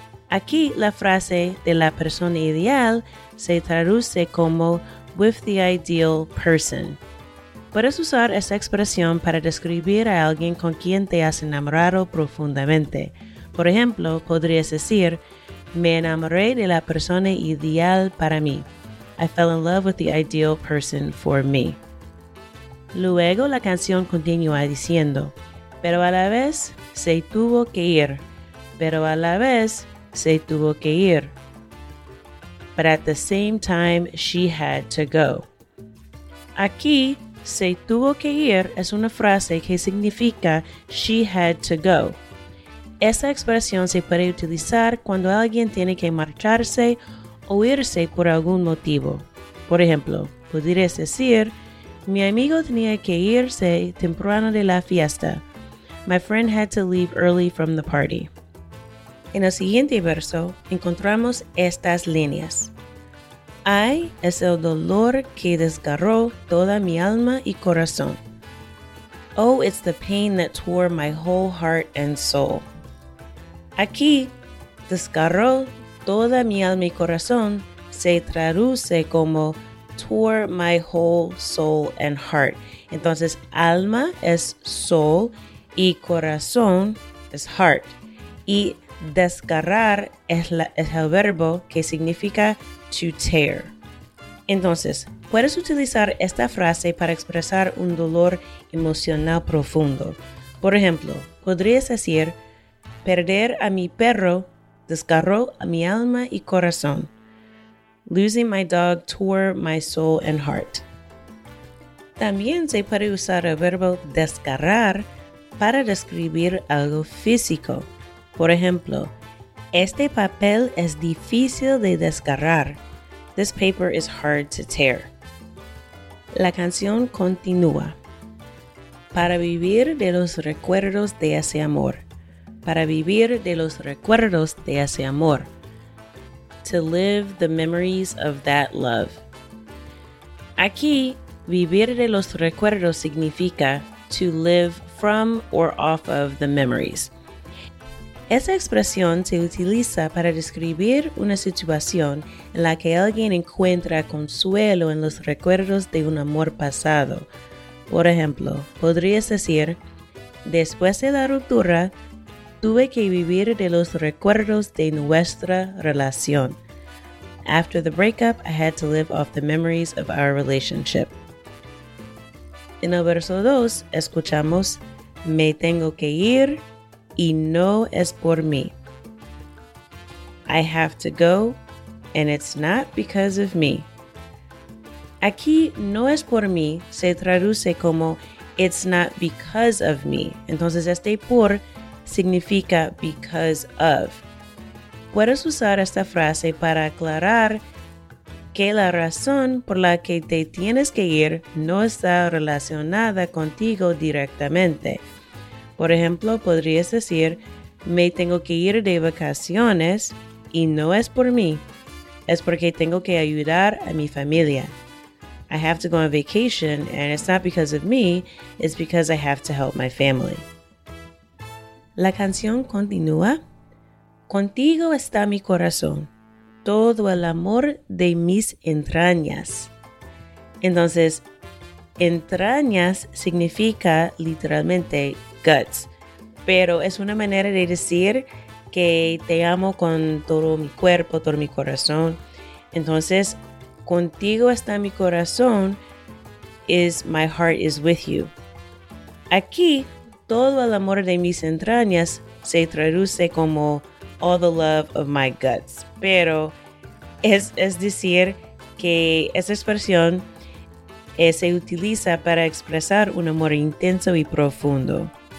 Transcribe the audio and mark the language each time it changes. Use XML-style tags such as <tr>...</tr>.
<es>Aquí la frase de la persona ideal se traduce como</es> <en>with the ideal person.</en> <es>Puedes usar esa expresión para describir a alguien con quien te has enamorado profundamente. Por ejemplo, podrías decir, me enamoré de la persona ideal para mí.</es> <en>I fell in love with the ideal person for me.</en> <es>Luego la canción continúa diciendo, pero a la vez se tuvo que ir. Pero a la vez se tuvo que ir.</es> <en>But at the same time, she had to go.</en> <es>Aquí, se tuvo que ir es una frase que significa</es> <en>she had to go.</en> <es>Esa expresión se puede utilizar cuando alguien tiene que marcharse o irse por algún motivo. Por ejemplo, podrías decir, mi amigo tenía que irse temprano de la fiesta.</es> <en>My friend had to leave early from the party.</en> <es>En el siguiente verso, encontramos estas líneas. Ay, es el dolor que desgarró toda mi alma y corazón.</es> <en>Oh, it's the pain that tore my whole heart and soul.</en> <es>Aquí, desgarró toda mi alma y corazón se traduce como</es> <en>tore my whole soul and heart.</en> <es>Entonces, alma es soul y corazón es heart. Y desgarrar es el verbo que significa to tear. Entonces, puedes utilizar esta frase para expresar un dolor emocional profundo. Por ejemplo, podrías decir, perder a mi perro desgarró a mi alma y corazón.</es> <en>Losing my dog tore my soul and heart.</en> <es>También se puede usar el verbo desgarrar para describir algo físico. Por ejemplo, este papel es difícil de desgarrar.</es> <en>This paper is hard to tear.</en> <es>La canción continúa. Para vivir de los recuerdos de ese amor. Para vivir de los recuerdos de ese amor.</es> <en>To live the memories of that love.</en> <es>Aquí, vivir de los recuerdos significa</es> <en>to live from or off of the memories.</en> <es>Esa expresión se utiliza para describir una situación en la que alguien encuentra consuelo en los recuerdos de un amor pasado. Por ejemplo, podrías decir, después de la ruptura, tuve que vivir de los recuerdos de nuestra relación.</es> <en>After the breakup, I had to live off the memories of our relationship.</en> <es>En el verso 2, escuchamos, me tengo que ir y no es por mí.</es> <en>I have to go and it's not because of me.</en> <es>Aquí, no es por mí se traduce como</es> <en>it's not because of me.</en> <es>Entonces, este por significa because of. Puedes usar esta frase para aclarar que la razón por la que te tienes que ir no está relacionada contigo directamente. Por ejemplo, podrías decir, me tengo que ir de vacaciones y no es por mí. Es porque tengo que ayudar a mi familia.</es> <en>I have to go on vacation and it's not because of me, it's because I have to help my family.</en> <es>La canción continúa. Contigo está mi corazón, todo el amor de mis entrañas. Entonces, entrañas significa literalmente guts, pero es una manera de decir que te amo con todo mi cuerpo, todo mi corazón. Entonces, contigo está mi corazón,</es> <en>is my heart is with you.</en> <es>Aquí, todo el amor de mis entrañas se traduce como</es> <en>all the love of my guts.</en> <es>Pero es decir que esa expresión se utiliza para expresar un amor intenso y profundo.</es>